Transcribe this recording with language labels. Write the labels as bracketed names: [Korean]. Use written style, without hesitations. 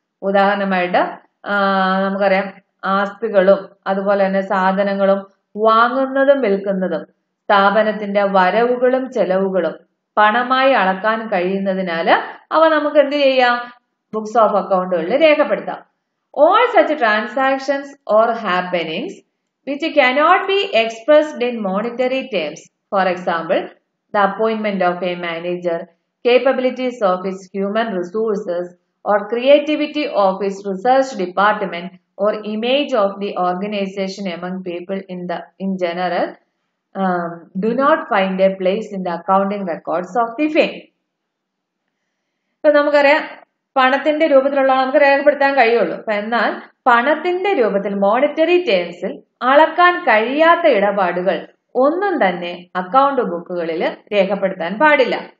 [Malayalam] ഉദാഹരണമായിട്ട് നമുക്കറിയാം ആസ്തികളും അതുപോലെ തന്നെ സാധനങ്ങളും വാങ്ങുന്നതും വിൽക്കുന്നതും സ്ഥാപനത്തിന്റെ വരവുകളും ചെലവുകളും പണമായി അളക്കാൻ കഴിയുന്നതിനാൽ അവ നമുക്ക് എന്ത് ചെയ്യാം? ബുക്സ് ഓഫ് അക്കൗണ്ടുകളിൽ രേഖപ്പെടുത്താം. [English] All such transactions or happenings which cannot be expressed in monetary terms, for example, the appointment of a manager, capabilities of his human resources, or creativity of his research department, or image of the organization among people in general, do not find a place in the accounting records of the firm. [Malayalam] So, നമുക്കറിയാം പണത്തിന്റെ രൂപത്തിലുള്ള നമുക്ക് രേഖപ്പെടുത്താൻ കഴിയുള്ളൂ. അപ്പൊ എന്നാൽ പണത്തിന്റെ രൂപത്തിൽ മോണിറ്ററി ടേംസിൽ അളക്കാൻ കഴിയാത്ത ഇടപാടുകൾ ഒന്നും തന്നെ അക്കൗണ്ട് ബുക്കുകളിൽ രേഖപ്പെടുത്താൻ പാടില്ല.